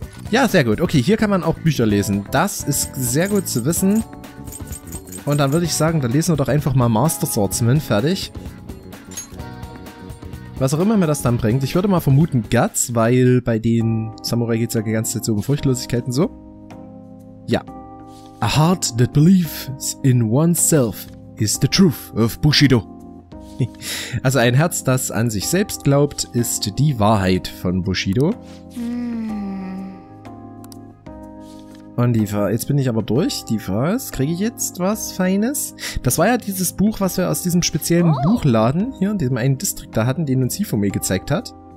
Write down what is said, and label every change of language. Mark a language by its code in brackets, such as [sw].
[de] Ja, sehr gut. Okay, hier kann man auch Bücher lesen. Das ist sehr gut zu wissen. Und dann würde ich sagen, dann lesen wir doch einfach mal Master Swordsman. Fertig. Was auch immer mir das dann bringt. Ich würde mal vermuten Guts, weil bei den Samurai geht es ja die ganze Zeit so um Furchtlosigkeiten so. Ja. [en] A heart that believes in oneself is the truth of Bushido. [de] Also ein Herz, das an sich selbst glaubt, ist die Wahrheit von Bushido. Und die Frage, jetzt bin ich aber durch. Die Frage ist, kriege ich jetzt was Feines? Das war ja dieses Buch, was wir aus diesem speziellen Buchladen hier in diesem einen Distrikt da hatten, den uns Hifumi gezeigt hat.